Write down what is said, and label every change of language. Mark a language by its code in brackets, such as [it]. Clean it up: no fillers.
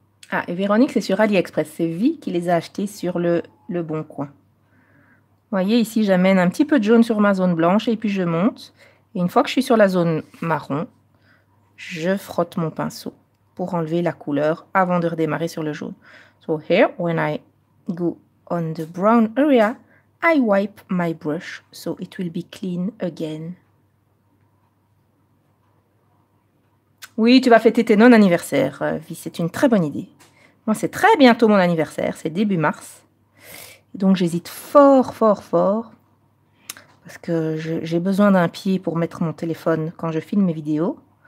[fr] Ah, et Véronique, c'est sur AliExpress, c'est Vi qui les a achetés sur le Bon Coin. Vous voyez ici, j'amène un petit peu de jaune sur ma zone blanche et puis je monte. Et une fois que je suis sur la zone marron, je frotte mon pinceau pour enlever la couleur avant de redémarrer sur le jaune. [en] So here, when I go on the brown area, I wipe my brush so it will be clean again. [fr] Oui, tu vas fêter tes non-anniversaires, Vi, c'est une très bonne idée. Moi, c'est très bientôt mon anniversaire, c'est début mars. Donc, j'hésite fort, parce que j'ai besoin d'un pied pour mettre mon téléphone quand je filme mes vidéos.